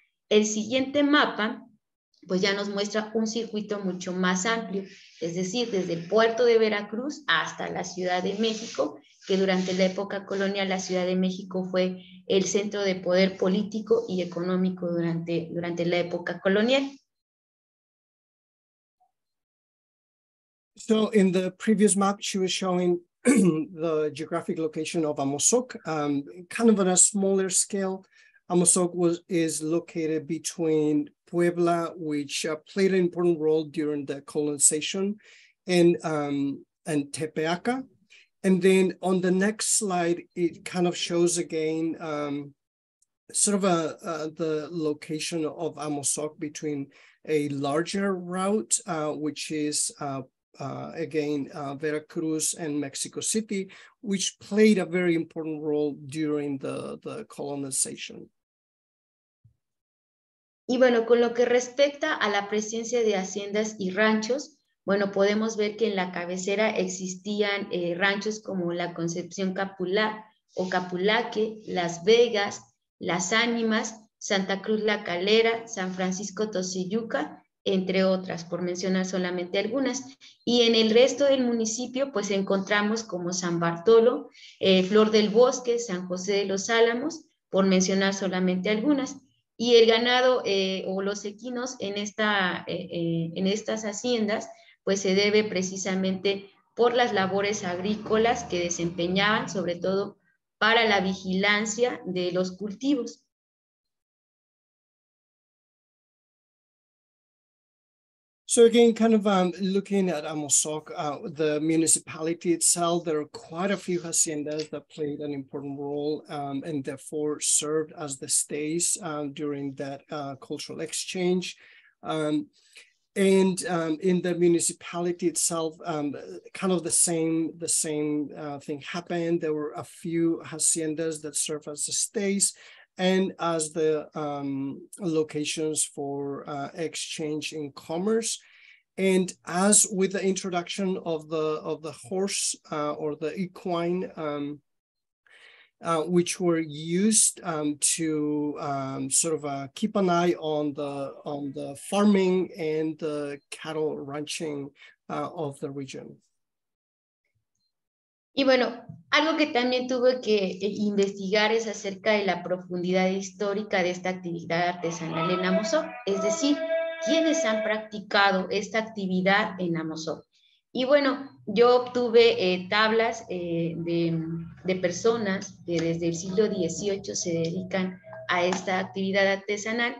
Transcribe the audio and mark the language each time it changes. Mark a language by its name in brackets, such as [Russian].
[Spanish] El siguiente mapa pues ya nos muestra un circuito mucho más amplio, es decir, desde el puerto de Veracruz hasta la Ciudad de México, que durante la época colonial la Ciudad de México fue el centro de poder político y económico durante la época colonial. [English] So in the previous map, she was showing the geographic location of Namosok, kind of on a smaller scale. Namosok is located between Puebla, which played an important role during the colonization, and Tepeaca. And then on the next slide, it kind of shows again sort of the location of Namosok between a larger route, which is Veracruz and Mexico City, which played a very important role during the colonization. [Spanish] Y bueno, con lo que respecta a la presencia de haciendas y ranchos, bueno, podemos ver que en la cabecera existían ranchos como la Concepción Capulá o Capulaque, Las Vegas, Las Ánimas, Santa Cruz La Calera, San Francisco Tosiyuca, entre otras, por mencionar solamente algunas. Y en el resto del municipio, pues encontramos como San Bartolo, Flor del Bosque, San José de los Álamos, por mencionar solamente algunas. Y el ganado o los equinos en estas haciendas, pues se debe precisamente por las labores agrícolas que desempeñaban, sobre todo para la vigilancia de los cultivos. [English] So So again, kind of looking at Amozoc, the municipality itself, there are quite a few haciendas that played an important role and therefore served as the stays during that cultural exchange. In the municipality itself, kind of the same thing happened. There were a few haciendas that served as the stays and as the locations for exchange in commerce. And as with the introduction of the horse or the equine, which were used to keep an eye on the farming and the cattle ranching of the region. [Spanish] Y bueno, algo que también tuve que investigar es acerca de la profundidad histórica de esta actividad artesanal en Amozoc, es decir, quiénes han practicado esta actividad en Amozoc. Y bueno, yo obtuve tablas de personas que desde el siglo XVIII se dedican a esta actividad artesanal.